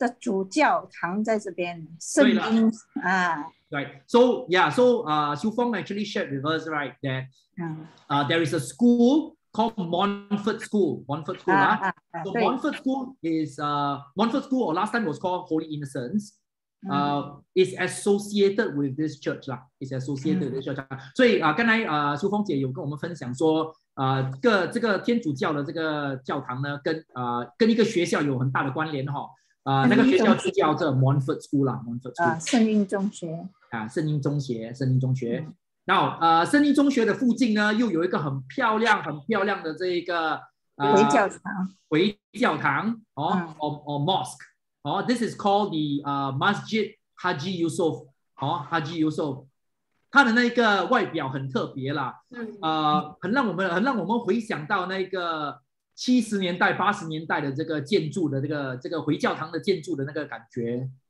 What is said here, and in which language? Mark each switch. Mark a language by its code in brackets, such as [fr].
[zh] 的主教堂在这边，圣婴啊。 [en] Right. So yeah. So Xiu Feng actually shared with us, right, that there is a school called Montfort School. Montfort School. So Montfort School is Montfort School, or last time was called Holy Innocents. Is associated with this church, lah. Is associated with this church. [zh] 所以啊，刚才啊，淑凤姐有跟我们分享说，这个天主教的这个教堂呢，跟一个学校有很大的关联哈。那个学校就叫这 Montfort School 啦 ，Montfort School。圣婴中学。啊，圣婴中学，圣婴中学。那圣婴中学的附近呢，又有一个很漂亮、很漂亮的这一个回教堂哦、 [en] or mosque。 Oh, this is called the Masjid Haji Yusof. Oh, Haji Yusof. [zh] 它的那个外表很特别啦。很让我们回想到那个70年代、80年代的这个建筑的这个回教堂的建筑的那个感觉。